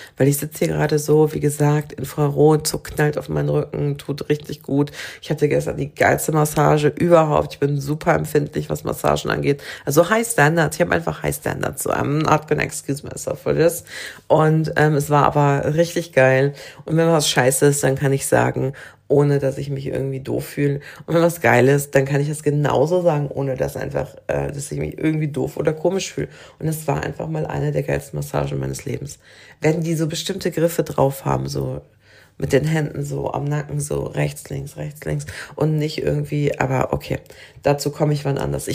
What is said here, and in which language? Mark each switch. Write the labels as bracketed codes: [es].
[de] Weil ich sitze hier gerade so, wie gesagt, Infrarot, Zug knallt auf meinen Rücken, tut richtig gut. Ich hatte gestern die geilste Massage überhaupt. Ich bin super empfindlich, was Massagen angeht. Also High Standards. Ich habe einfach High Standards. [en] So, I'm not gonna excuse myself for this. [de] Und es war aber richtig geil. Und wenn was scheiße ist, dann kann ich sagen, ohne dass ich mich irgendwie doof fühle. Und wenn was geil ist, dann kann ich das genauso sagen, ohne dass einfach, dass ich mich irgendwie doof oder komisch fühle. Und es war einfach mal eine der geilsten Massagen meines Lebens. Wenn die so bestimmte Griffe drauf haben, so mit den Händen, so am Nacken, so rechts, links und nicht irgendwie, aber okay, dazu komme ich wann anders.